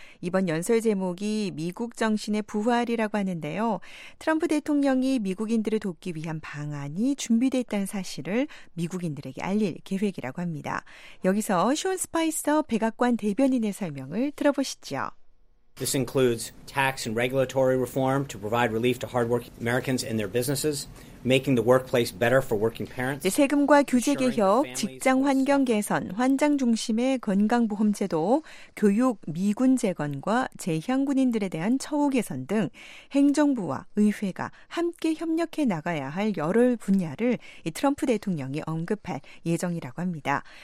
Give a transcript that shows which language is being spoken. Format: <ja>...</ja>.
<ko>이번 연설 제목이 미국 정신의 부활이라고 하는데요. 트럼프 대통령이 미국인들을 돕기 위한 방안이 준비되어 있다는 사실을 미국인들에게 알릴 계획이라고 합니다. 여기서 숀 스파이서 백악관 대변인의 설명을 들어보시죠.</ko> <en>This includes tax and regulatory reform to provide relief to hardworking Americans and their businesses, making the workplace better for working parents.</en> <ko>네, 세금과 규제 개혁, 직장 환경 개선, 환장 중심의 건강보험 제도, 교육, 미군 재건과 재향 군인들에 대한 처우 개선 등 행정부와 의회가 함께 협력해 나가야 할 여러 분야를 이 트럼프 대통령이 언급할 예정이라고 합니다.</ko>